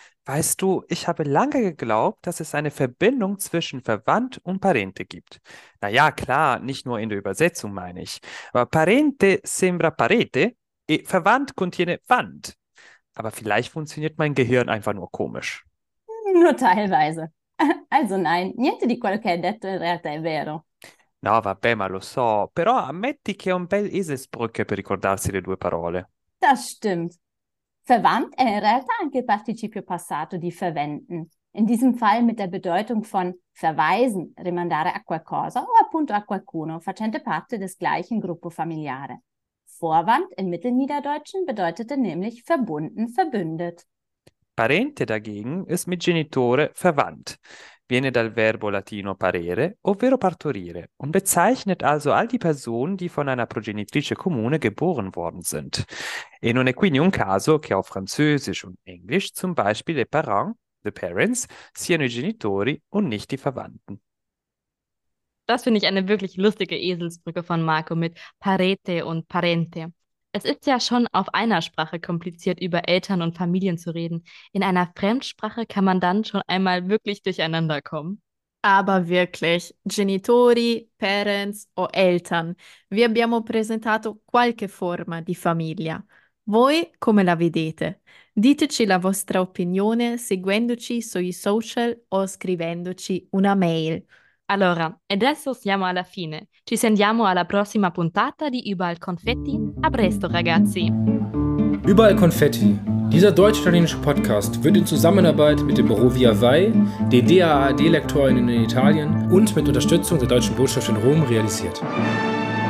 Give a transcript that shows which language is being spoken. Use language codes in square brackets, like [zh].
[de] Weißt du, ich habe lange geglaubt, dass es eine Verbindung zwischen Verwandt und Parente gibt. Naja, klar, nicht nur in der Übersetzung meine ich. Aber [it] Parente sembra parete e Verwandt contiene Wand. [de] Aber vielleicht funktioniert mein Gehirn einfach nur komisch. Nur teilweise. Also nein, [it] niente di quello che hai detto in realtà è vero. No, vabbè, ma lo so. Però ammetti che è un bel Eselsbrücke per ricordarsi le due parole. [de] Das stimmt. [it] Verwandt è in realtà anche il participio passato di verwenden, [de] in diesem Fall mit der Bedeutung von verweisen, [it] rimandare a qualcosa o appunto a qualcuno, facente parte [de] des gleichen [it] gruppo familiare. [de] Vorwand im Mittelniederdeutschen bedeutete nämlich verbunden, verbündet. Parente dagegen ist mit genitore verwandt, [it] viene dal verbo latino parere, ovvero partorire, [de] und bezeichnet also all die Personen, die von einer [it] progenitrice comune [de] geboren worden sind. [it] E non è quindi un caso che [de] auf Französisch und Englisch zum Beispiel [it] les parents, the parents, siano i genitori [de] und nicht die Verwandten. Das finde ich eine wirklich lustige Eselsbrücke von Marco mit parete und parente. Es ist ja schon auf einer Sprache kompliziert, über Eltern und Familien zu reden. In einer Fremdsprache kann man dann schon einmal wirklich durcheinander kommen. Aber wirklich, genitori, parents o Eltern. Wir [it] abbiamo presentato qualche forma di famiglia. Voi come la vedete? Diteci la vostra opinione seguendoci sui social o scrivendoci una mail. Allora, adesso siamo alla fine. Ci sentiamo alla prossima puntata di Überall Konfetti. A presto, ragazzi! [de] Überall Konfetti. Dieser deutsch-italienische Podcast wird in Zusammenarbeit mit dem Büro Via Vai, den DAAD-Lektorinnen in Italien und mit Unterstützung der Deutschen Botschaft in Rom realisiert.